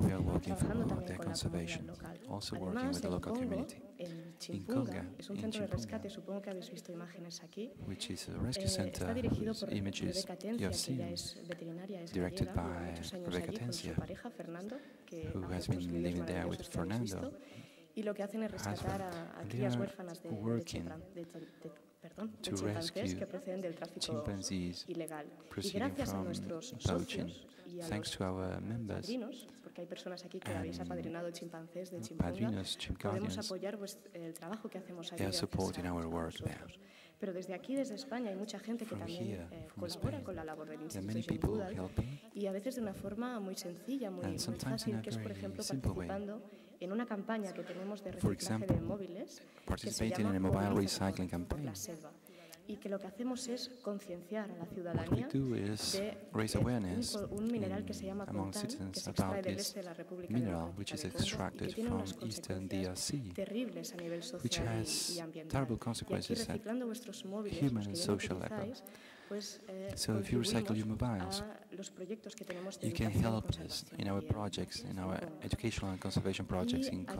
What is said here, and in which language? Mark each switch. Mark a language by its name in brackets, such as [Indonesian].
[English] we are working for their conservation, also working with the local community. In Conga, in Chimpunga, which is a rescue center whose images you have seen, directed by Rebecca Tencia, who has been living there with Fernando, [Spanish] y lo que hacen es rescatar a crías huérfanas de chimpancés que proceden del tráfico ilegal. Y gracias a nuestros socios y a padrinos, porque hay personas aquí que habéis apadrinado chimpancés de Chimpunga, podemos apoyar el trabajo que hacemos allí gracias a nosotros. Pero desde aquí, desde España, hay mucha gente que también colabora con la labor del Instituto Jane Goodall y a veces de una forma muy sencilla, muy fácil, que es, por ejemplo, participando en una campaña que tenemos de reciclaje de móviles que se llama la selva y que lo que hacemos es concienciar a la ciudadanía de un mineral que se llama coltán, que se extrae del este de la República Democrática de Congo y que tiene unas consecuencias terribles a nivel social y ambiental. Y aquí reciclando vuestros móviles, los que bien utilizáis, [English] so if you recycle your mobiles, you can help us in our projects, in our educational and conservation projects in Congo.